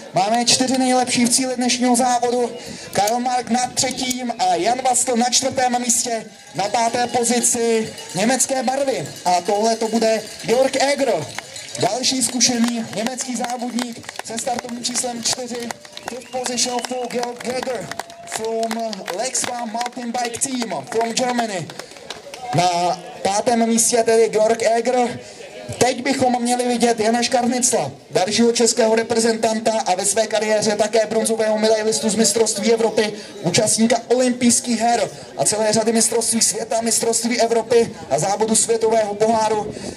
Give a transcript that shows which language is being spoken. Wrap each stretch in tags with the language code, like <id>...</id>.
<cs>Máme čtyři nejlepší v cíli dnešního závodu. Karl Mark na třetím a Jan Vastl na čtvrtém místě, na páté pozici německé barvy. A tohle to bude Georg Eger, další zkušený německý závodník se startovním číslem 4.</cs> <en>Fifth position for Georg Eger from Lexvam Mountain Bike Team from Germany.</en> <cs>Na pátém místě tedy Georg Eger. Teď bychom měli vidět Jana Škarnicla, dalšího českého reprezentanta a ve své kariéře také bronzového medailistu z mistrovství Evropy, účastníka olympijských her a celé řady mistrovství světa, mistrovství Evropy a závodu světového poháru.</cs>